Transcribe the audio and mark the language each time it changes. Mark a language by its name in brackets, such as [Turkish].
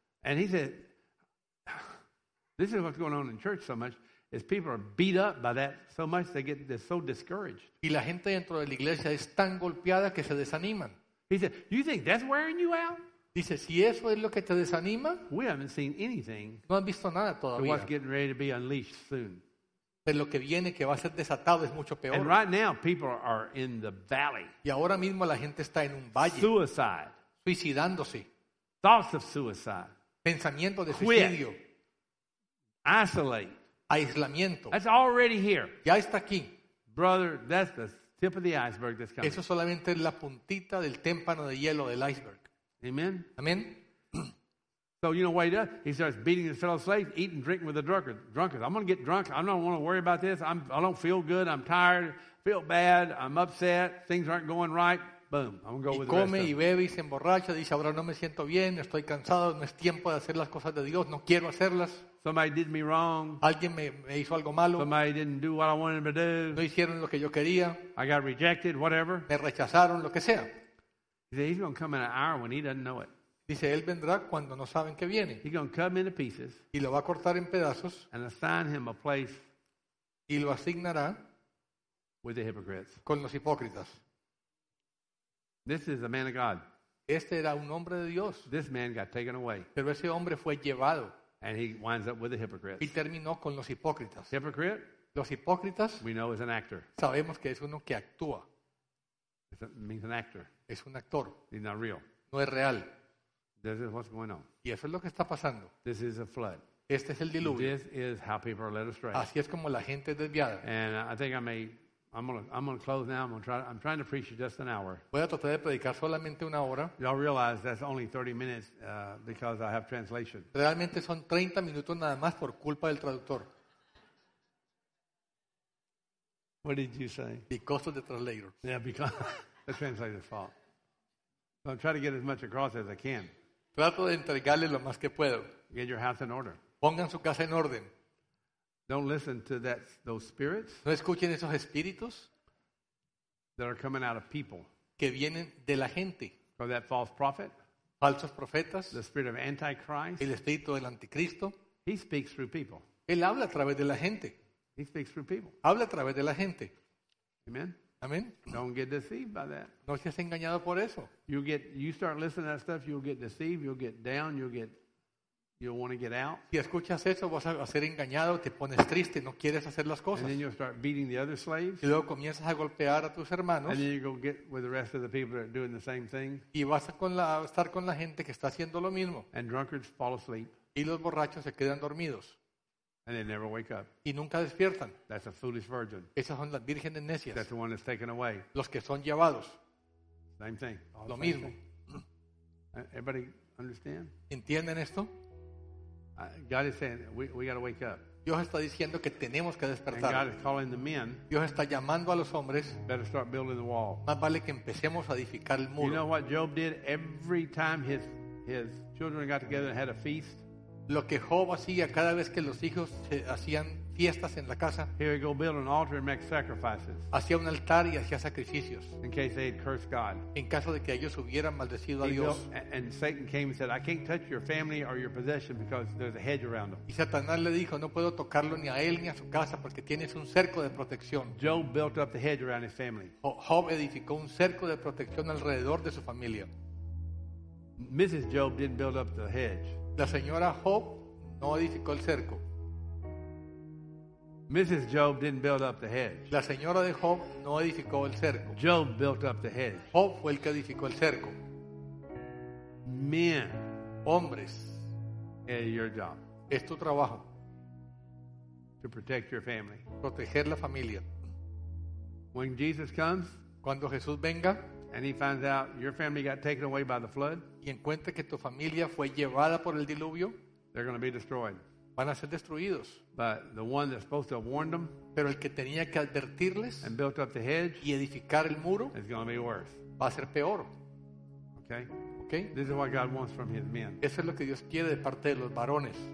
[English] And he said, this is what's going on in church so much. Is people are beat up by that so much they're so discouraged. [Spanish] Y la gente dentro de la iglesia es tan golpeada que se desaniman. [English] He said, you think that's wearing you out? [Spanish] Dice, si eso es lo que te desanima, [English] we haven't seen anything. [Spanish] No han visto nada todavía. [English] What's getting ready to be unleashed soon. [Spanish] Pero lo que viene que va a ser desatado es mucho peor. [English] And right now people are in the valley. [Spanish] Y ahora mismo la gente está en un valle. [English] Suicide. [Spanish] Suicidándose. [English] Thoughts of suicide. [Spanish] Pensamiento de suicidio. [English] Quit. Isolate. [Spanish] Aislamiento. [English] That's already here. [Spanish] Ya está aquí. [English] Brother, that's the tip of the iceberg that's coming. [Spanish] Eso solamente es la puntita del témpano de hielo del iceberg. [English] Amen. [Spanish] Amen. [English] So you know what he does? He starts beating his fellow slaves, eating, drinking with the drunkards. I'm going to get drunk. I don't want to worry about this. I don't feel good. I'm tired. I feel bad. I'm upset. Things aren't going right. boom, I'm going go with come the rest [Spanish] y bebe y se emborracha, dice, ahora no me siento bien, estoy cansado, no es tiempo de hacer las cosas de Dios, no quiero hacerlas. [English] Somebody did me wrong. [Spanish] Alguien me hizo algo malo. [English] Somebody didn't do what I wanted to do. [Spanish] No hicieron lo que yo quería. [English] I got rejected, whatever. [Spanish] Me rechazaron, lo que sea. [English] He said, he's going to come in an hour when he doesn't know it. [Spanish] Dice, él vendrá cuando no saben que viene. [English] He's going to cut me into pieces. [Spanish] Y lo va a cortar en pedazos. [English] And assign him a place. [Spanish] Y lo asignará. [English] With the hypocrites. [Spanish] Con los hipócritas. [English] This is a man of God. [Spanish] Este era un hombre de Dios. [English] This man got taken away. [Spanish] Pero ese hombre fue llevado. [English] And he winds up with the hypocrites. [Spanish] Y terminó con los hipócritas. [English] Hypocrite? [Spanish] Los hipócritas. [English] We know is an actor. [Spanish] Sabemos que es uno que actúa. [English] It means an actor. [Spanish] Es un actor. [English] He's not real. [Spanish] No es real. [English] This is what's going on. [Spanish] Y eso es lo que está pasando. [English] This is a flood. [Spanish] Este es el diluvio. [English] This is how people are led astray. [Spanish] Así es como la gente es desviada. [English] And I think I'm gonna close now. I'm trying to preach you just an hour. [Spanish] Voy a tratar de predicar solamente una hora. [English] Y'all realize that's only 30 minutes because I have translation. [Spanish] Realmente son 30 minutos nada más por culpa del traductor. [English] What did you say? Because of the translator. Yeah, because the translator's fault. So I'm trying to get as much across as I can. [Spanish] Trato de entregarle lo más que puedo. [English] Get your house in order. [Spanish] Pongan su casa en orden. [English] Don't listen to that, those spirits. [Spanish] No escuchen esos espíritus. [English] That are coming out of people. [Spanish] Que vienen de la gente. [English] Or that false prophet. [Spanish] Falsos profetas. [English] The spirit of Antichrist. [Spanish] El espíritu del anticristo. [English] He speaks through people. [Spanish] Él habla a través de la gente. [English] He speaks through people. [Spanish] Habla a través de la gente. [English] Amen. [Spanish] Amen. [English] Don't get deceived by that. [Spanish] No seas engañado por eso. [English] You start listening to that stuff, you'll get deceived, you'll get down, you'll want to get out. [Spanish] Si escuchas eso, vas a ser engañado, te pones triste, no quieres hacer las cosas. [English] And then you'll start beating the other slaves. [Spanish] Y luego comienzas a golpear a tus hermanos. [English] And then you go get with the rest of the people that are doing the same thing. [Spanish] Y vas a estar con la gente que está haciendo lo mismo. [English] And drunkards fall asleep. [Spanish] Y los borrachos se quedan dormidos. [English] And they never wake up. [Spanish] Y nunca despiertan. [English] That's a foolish virgin. [Spanish] Esas son las vírgenes necias. [English] That's the one that's taken away. [Spanish] Los que son llevados. [English] Same thing. [Spanish] Lo mismo. [English] Everybody understand? [Spanish] ¿Entienden esto? [English] God is saying we got to wake up. [Spanish] Dios está diciendo que tenemos que despertar. [English] And God is calling the men. [Spanish] Dios está llamando a los hombres. [English] Better start building the wall. [Spanish] Más vale que empecemos a edificar el muro. [English] You know what Job did every time his children got together and had a feast? [Spanish] Lo que Job hacía cada vez que los hijos hacían fiestas en la casa. [English] He would go build an altar and make sacrifices. [Spanish] Hacía un altar y hacía sacrificios. [English] In case they had cursed God. [Spanish] En caso de que ellos hubieran maldecido a Dios. [English] And Satan came and said, I can't touch your family or your possession because there's a hedge around them. [Spanish] Y Satanás le dijo, no puedo tocarlo ni a él ni a su casa porque tienes un cerco de protección. [English] Job built up the hedge around his family. [Spanish] Job edificó un cerco de protección alrededor de su familia. [English] Mrs. Job didn't build up the hedge. [Spanish] La señora Job no edificó el cerco. [English] Mrs. Job didn't build up the hedge. [Spanish] La señora de Job no edificó el cerco. [English] Job built up the hedge. [Spanish] Job fue el que edificó el cerco. [English] Men, [Spanish] hombres, [English] is your job. [Spanish] Es tu trabajo. [English] To protect your family. [Spanish] Proteger la familia. [English] When Jesus comes, [Spanish] cuando Jesús venga, [English] and he finds out your family got taken away by the flood, [Spanish] y encuentra que tu familia fue llevada por el diluvio, [English] they're going to be destroyed. [Spanish] Van a ser destruidos. [English] But the one that's supposed to have warned them, [Spanish] pero el que tenía que advertirles, [English] and built up the hedge, [Spanish] y edificar el muro, [English] is going to be worse. [Spanish] Va a ser peor. [English] Okay. [Spanish] Okay. [English] This is what God wants from His men. [Spanish] Eso es lo que Dios quiere de parte de los varones.